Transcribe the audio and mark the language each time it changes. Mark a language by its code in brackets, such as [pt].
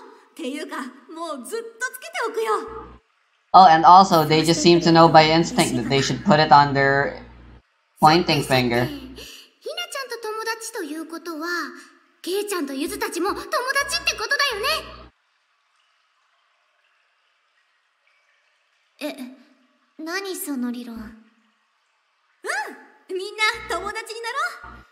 [ja] っていうか、もうずっとつけておくよ！ [en] Oh, and also, they just seem to know by instinct that they should put it on their pointing finger. [ja] ひなちゃんと友達ということは、けいちゃんとゆずたちも友達ってことだよね？え、何その理論？うん、みんな友達になろう。